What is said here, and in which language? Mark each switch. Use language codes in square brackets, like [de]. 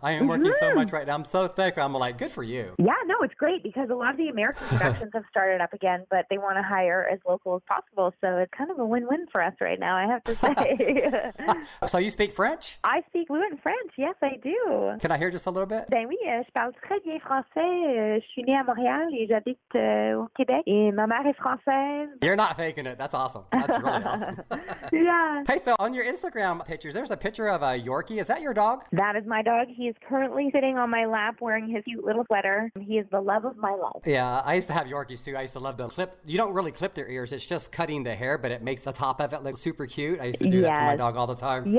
[en] I am working so much right now. I'm so thankful. I'm like, good for you. Yeah, no, it's great because a lot of the American productions have started up again, but they want to hire as local as possible. So it's kind of a win-win for us right now, I have to say. So you speak French? I speak fluent French. Yes, I do. Can I hear just a little bit? [fr] Ben oui, je parle très bien français. Je suis née à Montréal et j'habite au Québec. Et ma mère est française. [en] You're not faking it. That's awesome. That's really awesome. Yeah. Hey, so on your Instagram pictures, there's a picture of a Yorkie. Is that your dog? That is my dog. He is currently sitting on my lap wearing his cute little sweater. He is the love of my life. Yeah, I used to have Yorkies too. I used to love the clip. You don't really clip their ears. It's just cutting the hair, but it makes the top of it look super cute. I used to do that to my dog all the time.